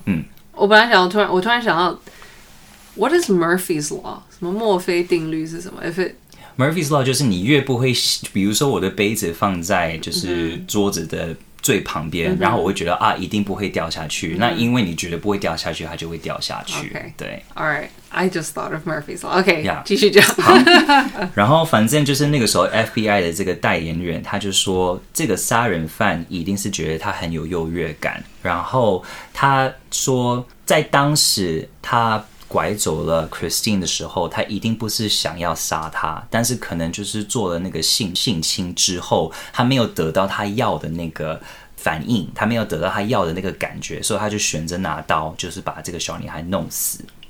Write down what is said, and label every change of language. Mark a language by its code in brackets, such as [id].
[zh] 嗯，我本来想要我突然想到 [en] What is Murphy's Law？ [zh] 什么墨菲定律是什么 ？ [en] If it [zh] Murphy's Law 就是你越不会，比如说我的杯子放在就是桌子的最旁边、mm-hmm. 然后我会觉得啊一定不会掉下去、mm-hmm. 那因为你觉得不会掉下去它就会掉下去、 okay. 对 [en] Alright I just thought of Murphy's Law OK、yeah. [zh] 继续讲然后反正就是那个时候 FBI 的这个代言人他就说这个杀人犯一定是觉得他很有优越感，然后他说在当时他拐走了 Christine 的时候他一定不是想要杀他，但是可能就是做了那个 性侵之后他没有得到他要的那个反应，他没有得到他要的那个感觉，所以他就选择拿刀就是把这个小女孩弄死。